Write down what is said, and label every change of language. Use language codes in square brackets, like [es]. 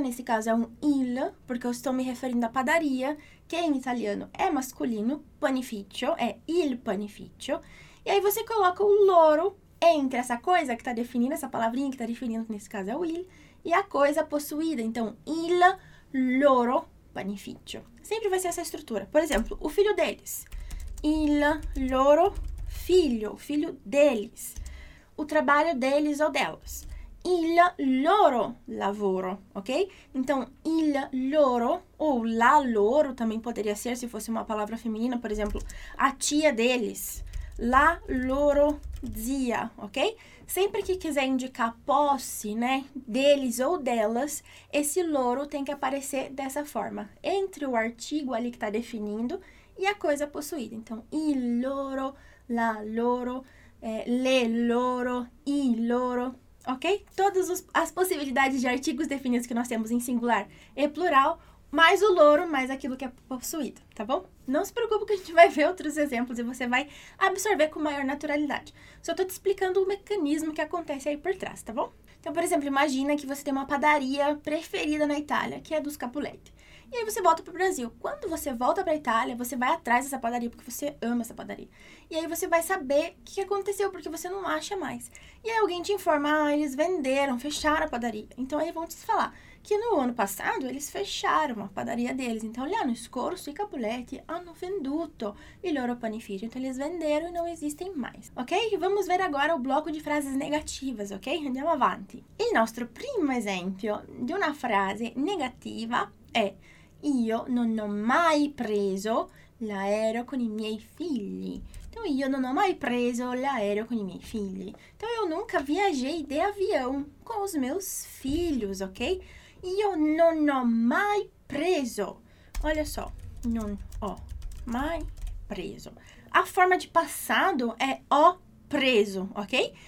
[pt] Nesse caso é um il, porque eu estou me referindo à padaria, que em italiano é masculino, panificio, é [it] il panificio. [pt] E aí você coloca o loro entre essa coisa que está definindo, essa palavrinha que está definindo, nesse caso é o il. E a coisa possuída, então, [it] il loro panificio. [pt] Sempre vai ser essa estrutura. Por exemplo, o filho deles. [it] Il loro figlio, [pt] filho deles. O trabalho deles ou delas. [it] Il loro lavoro, [pt] ok? Então, il loro ou la loro também poderia ser, se fosse uma palavra feminina, por exemplo, a tia deles. [it] La loro zia, [pt] ok? Sempre que quiser indicar posse, né, deles ou delas, esse loro tem que aparecer dessa forma, entre o artigo ali que está definindo e a coisa possuída. Então, [it] il loro, la loro, le loro, i loro, ok? [pt] Todas as possibilidades de artigos definidos que nós temos em singular e plural, mais o loro, mais aquilo que é possuído, tá bom? Não se preocupe que a gente vai ver outros exemplos e você vai absorver com maior naturalidade. Só tô te explicando o mecanismo que acontece aí por trás, tá bom? Então, por exemplo, imagina que você tem uma padaria preferida na Itália, que é dos Capuletti. E aí você volta pro Brasil. Quando você volta pra Itália, você vai atrás dessa padaria, porque você ama essa padaria. E aí você vai saber o que aconteceu, porque você não acha mais. E aí alguém te informa, ah, eles venderam, fecharam a padaria. Então, aí vão te falar que no ano passado eles fecharam a padaria deles. Então, [it] l'anno scorso i Capuletti hanno venduto il loro panificio. [pt] Então, eles venderam e não existem mais. Ok? Vamos ver agora o bloco de frases negativas, ok? [it] Andiamo avanti. Il nostro primo esempio di una frase negativa è: io non ho mai preso l'aereo con i miei figli. [pt] Então, [it] io non ho mai preso l'aereo con i miei figli. [pt] Então, eu nunca viajei de avião com os meus filhos, ok? [it] Io non ho mai preso. [pt] Olha só, [it] non ho mai preso. [pt] A forma de passado é [it] ho preso, [pt] ok?